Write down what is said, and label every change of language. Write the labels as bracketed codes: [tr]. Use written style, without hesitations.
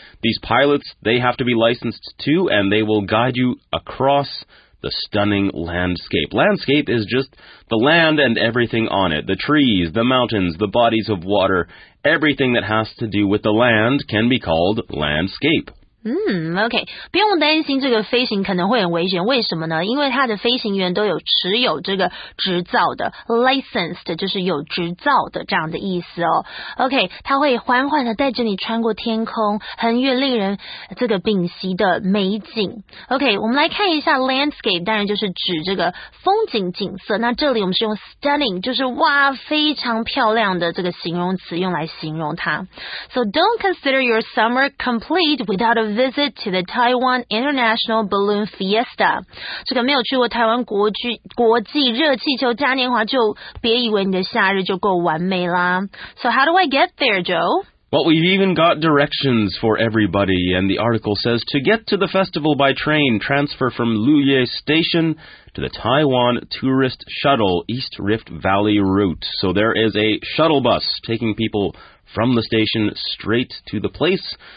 [en] These pilots, they have to be licensed too, and they will guide you across the stunning landscape. Landscape is just the land and everything on it. The trees, the mountains, the bodies of water, everything that has to do with the land can be called landscape. [zh] OK， 不用担心这个飞行可能会很危险，为什么呢？因为它的飞行员都有持有这个执照的 licensed， 就是有执照的这样的意思哦。 OK， 它会缓缓的带着你穿过天空，横越令人这个屏息的美景。 OK， 我们来看一下 landscape， 当然就是指这个风景景色。那这里我们是用 stunning， 就是哇，非常漂亮的这个形容词用来形容它。 [en] So don't consider your summer complete without a visit to the Taiwan International Balloon Fiesta. [zh] 这个没有去过台湾国际热气球嘉年华，就别以为你的夏日就够完美啦。 [en] So how do I get there, Joe? Well, we've even got directions for everybody, and the article says to get to the festival by train, transfer from Luye Station to the Taiwan Tourist Shuttle East Rift Valley route. So there is a shuttle bus taking people from the station straight to the place.